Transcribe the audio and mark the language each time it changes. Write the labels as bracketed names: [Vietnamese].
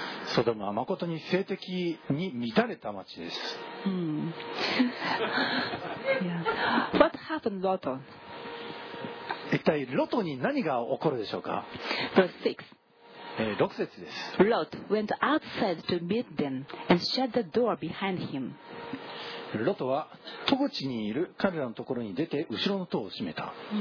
[Japanese] ソドムは誠に性的に満たれた町です。 [English] Yeah. What happened, Lot? [Japanese] 一体ロトに何が起こるでしょうか。 [English] Verse six. [Japanese] 6節です。 [English] Lot went outside to meet them and shut the door behind him. [Japanese] ロトは戸口にいる彼らのところに出て後ろの戸を閉めた。